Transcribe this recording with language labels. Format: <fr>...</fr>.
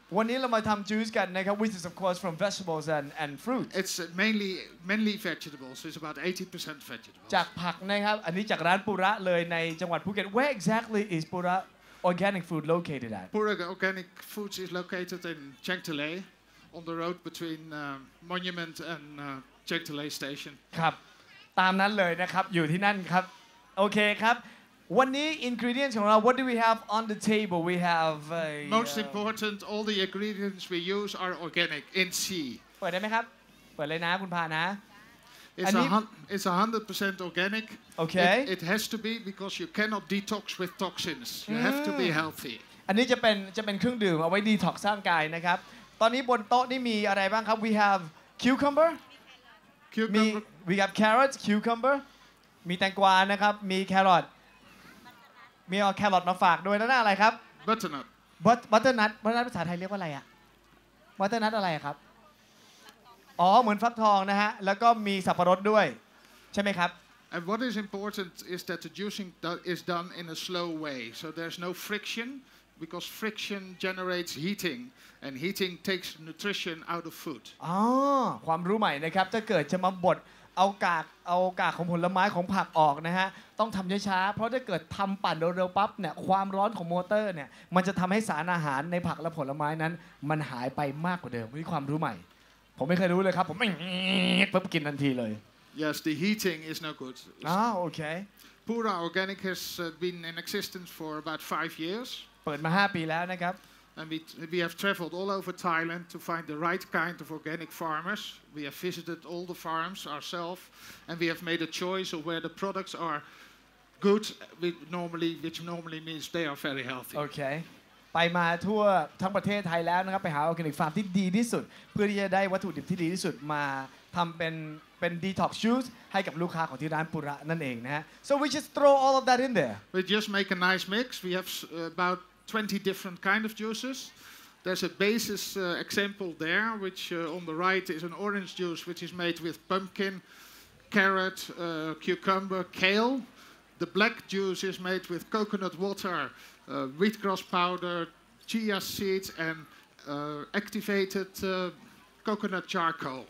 <en>Vanilla matam juice can make, which is of course from vegetables and fruit. It's mainly vegetables. It's about 80% vegetables.</en> <th>จากผักนะครับอันนี้จากร้านปุระเลยในจังหวัดภูเก็ต</th> <en>Where exactly is Pura Organic Food located at? Pura Organic Foods is located in Chiang Tale, on the road between Monument and Chiang Tale Station.</en> <th>ครับตามนั้นเลยนะครับอยู่ที่นั่นครับโอเคครับวันนี้ ingredients ของเรา</th> <en>what do we have</en> <th>on the table we have</th> <en>most important all the ingredients we use are organic in sea</en> <th>เปิดได้ไหมครับเปิดเลยนะคุณพานะ</th> <en>it's 100% organic okay it has to be because you cannot detox with toxins you have to be healthy</en> <th>อันนี้จะเป็นเครื่องดื่มเอาไว้ดีท็อกซ์ร่างกายนะครับตอนนี้บนโต๊ะนี่มีอะไรบ้างครับ</th> <en>we have cucumber we have carrots cucumber</en> <th>มีแตงกวานะครับมีแครอทมีเอาแครอทมาฝากด้วยแล้วน่าอะไรครับ</th> <en>butternut</en> <th>butternut ภาษาไทยเรียกว่าอะไรอ่ะ butternut อะไรครับอ๋อเหมือนฟักทองนะฮะแล้วก็มีสับปะรดด้วยใช่ไหมครับ</th> <en>and what is important is that the juicing is done in a slow way so there's no friction because friction generates heating and heating takes nutrition out of food</en> <th>อ๋อความรู้ใหม่นะครับถ้าเกิดจะมาบดเอากากของผลไม้ของผักออกนะฮะต้องทำช้าๆเพราะถ้าเกิดทำปั่นเร็วๆปั๊บเนี่ยความร้อนของมอเตอร์เนี่ยมันจะทำให้สารอาหารในผักและผลไม้นั้นมันหายไปมากกว่าเดิมนี่ความรู้ใหม่ผมไม่เคยรู้เลยครับผมปุ๊บกินทันทีเลย</th> <en>Yes the heating is no good okay Pura Organic has been in existence for about 5 years</en> <th>เปิดมา5ปีแล้วนะครับ</th> <en>And we have traveled all over Thailand to find the right kind of organic farmers. We have visited all the farms ourselves, and we have made a choice of where the products are good, which normally means they are very healthy. Okay.</en> <th>ไปมาทั่วทั้งประเทศไทยแล้วนะครับไปหาออร์แกนิกฟาร์มที่ดีที่สุดเพื่อที่จะได้วัตถุดิบที่ดีที่สุดมาทำเป็น detox juice ให้กับลูกค้าของที่ร้านปุระนั่นเองนะฮะ</th> <en>So we just throw all of that in there. We just make a nice mix. We have about 20 different kind of juices There's a basis example there, which on the right is an orange juice, which is made with pumpkin, carrot, cucumber, kale. The black juice is made with coconut water, wheatgrass powder, chia seeds, and activated coconut charcoal.</en>